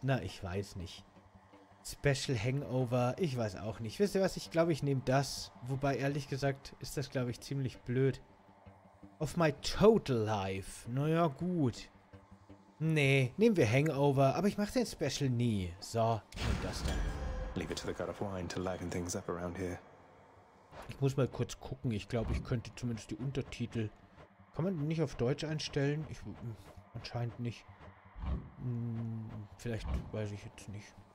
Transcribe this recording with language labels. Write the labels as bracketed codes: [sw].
[de] Na, ich weiß nicht. Special Hangover, ich weiß auch nicht. Wisst ihr was, ich glaube, ich nehme das. Wobei, ehrlich gesagt, ist das, glaube ich, ziemlich blöd. [en] Of my total life. [de] Naja, gut. Nee, nehmen wir Hangover. Aber ich mache den Special nie. So, nehm das dann. [en] Leave it to the God of Wine to liven things up around here. [de] Ich muss mal kurz gucken. Ich glaube, ich könnte zumindest die Untertitel. Kann man nicht auf Deutsch einstellen? Anscheinend nicht. Vielleicht weiß ich jetzt nicht.